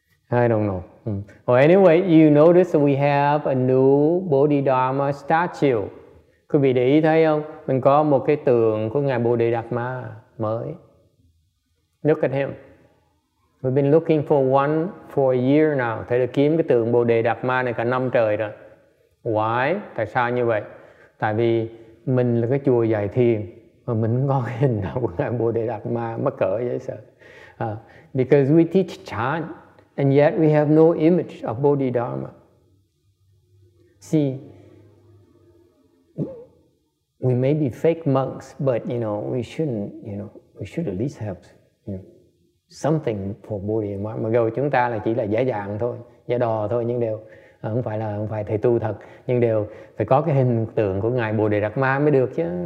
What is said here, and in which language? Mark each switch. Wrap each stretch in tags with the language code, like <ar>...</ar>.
<en>I don't know. Well, anyway, you notice that we have a new Bodhidharma statue.</en> <vi>Quý vị để ý thấy không? Mình có một cái tượng của Ngài Bồ Đề Đạt Ma mới.</vi> <en>Look at him. We've been looking for a year now.</en> <vi>Thầy đã kiếm cái tượng Bồ Đề Đạt Ma này cả năm trời rồi.</vi> <en>Why?</en> <vi>Tại sao như vậy? Tại vì mình là cái chùa dạy thiền mà mình không có cái hình nào của Ngài Bồ Đề Đạt Ma mắc cỡ dễ sợ.</vi> <en>Because we teach chan and yet we have no image of Bodhidharma. See, we may be fake monks, but you know, we shouldn't, you know, we should at least have something for Bodhidharma.</en> <vi>Mặc dù chúng ta là chỉ là giả dạng thôi, giả đò thôi, nhưng đều không phải thầy tu thật, nhưng đều phải có cái hình tượng của Ngài Bồ Đề Đạt Ma mới được chứ.</vi>